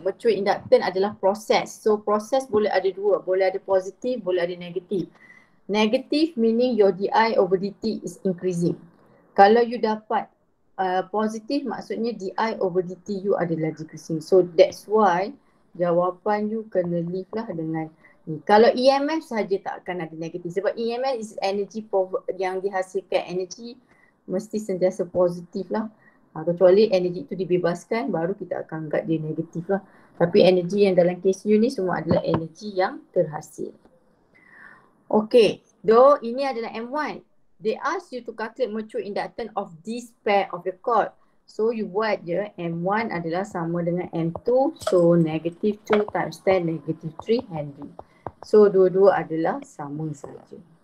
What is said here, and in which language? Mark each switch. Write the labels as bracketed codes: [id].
[ms] Mature inductance adalah proses. So, proses boleh ada dua. Boleh ada positif, boleh ada negative. [en] Negative meaning your DI over DT is increasing. [ms] Kalau you dapat positif, maksudnya DI over DT you adalah decreasing. So, that's why jawapan you kena live lah dengan ni. Kalau EMF saja tak akan ada negatif sebab EMF is energy yang dihasilkan, energy mesti sentiasa positif lah. Kecuali energy tu dibebaskan baru kita akan anggap dia negatif lah. Tapi energy yang dalam case you ni semua adalah energy yang terhasil. Okay, though ini adalah M1. [en] They ask you to calculate mutual inductance of this pair of the coil. [ms] So you buat je M1 adalah sama dengan M2. [en] So negative 2 times 10 negative 3 Henry. [ms] So dua-dua adalah sama saja.